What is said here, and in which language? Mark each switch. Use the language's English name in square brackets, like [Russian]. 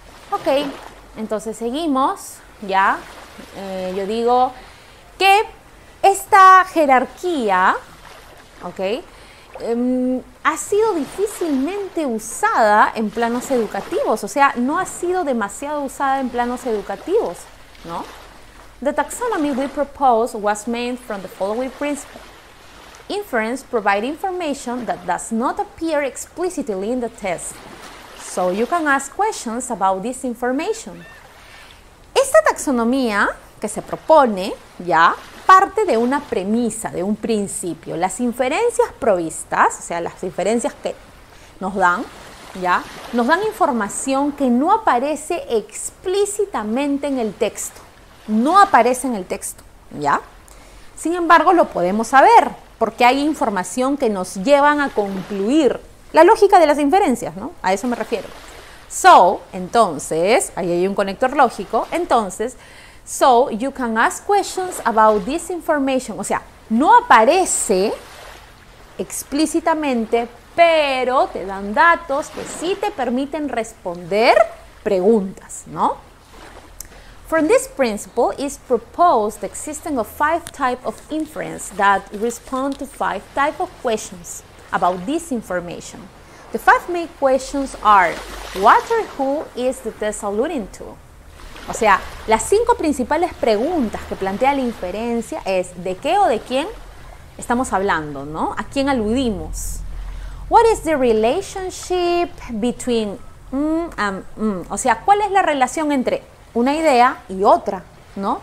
[Spanish] Ok, entonces seguimos, ¿ya? Yo digo que esta jerarquía, ¿ok? Ha sido difícilmente usada en planos educativos, o sea, no ha sido demasiado usada en planos educativos, ¿no? [English] The taxonomy we propose was made from the following principle. Inference provide information that does not appear explicitly in the test. So you can ask questions about this information. [Spanish] Esta taxonomía que se propone, ¿ya? Parte de una premisa, de un principio. Las inferencias provistas, o sea, las inferencias que nos dan, ¿ya? Nos dan información que no aparece explícitamente en el texto. No aparece en el texto, ¿ya? Sin embargo, lo podemos saber, porque hay información que nos llevan a concluir la lógica de las inferencias, ¿no? A eso me refiero. [English] So, [Spanish] entonces, ahí hay un conector lógico, entonces, [English] so, you can ask questions about this information. [Spanish] O sea, no aparece explícitamente, pero te dan datos que sí te permiten responder preguntas, ¿no? [English] From this principle is proposed the existence of five types of inference that respond to five types of questions about this information. The five main questions are, what or who is the test alluding to? [Spanish] O sea, las cinco principales preguntas que plantea la inferencia es ¿de qué o de quién estamos hablando, ¿no? ¿A quién aludimos? [English] What is the relationship between [Spanish] O sea, ¿cuál es la relación entre una idea y otra, ¿no?